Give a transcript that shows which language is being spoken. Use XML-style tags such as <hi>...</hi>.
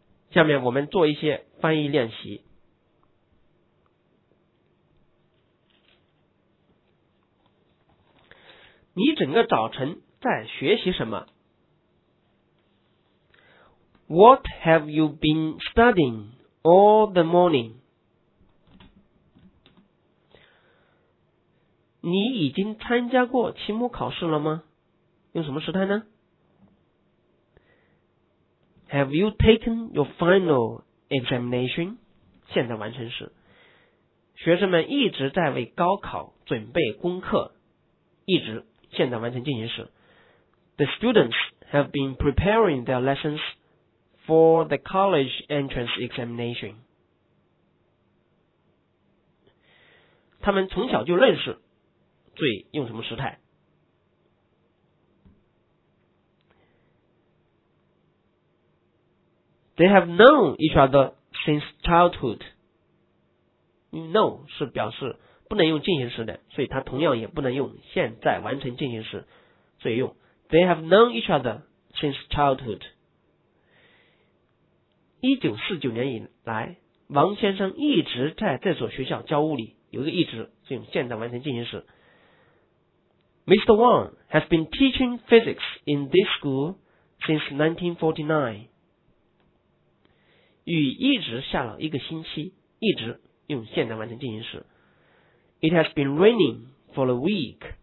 <zh>下面我们做一些翻译练习你整个早晨在学习什么</zh> <en>What have you been studying all the morning?</en> <zh>你已经参加过期末考试了吗？用什么时态呢</zh> <en>？Have you taken your final examination？</en> <zh>现在完成时，学生们一直在为高考准备功课，一直现在完成进行时。</zh> <en>The students have been preparing their lessons for the college entrance examination。</en> <zh>他们从小就认识。最用什么时态</zh> <en>They have known each other since childhood</en> <zh>Know 是表示不能用进行时的所以它同样也不能用现在完成进行时所以用 They have known each other since childhood 1949年以来王先生一直在这所学校教物理有一个一直是用现在完成进行时Mr.</zh> <en>Wang has been teaching physics in this school since 1949.</en> <zh>雨一直下了一个星期，一直用现在完成进行时。</zh> <en>It has been raining for a week.</en>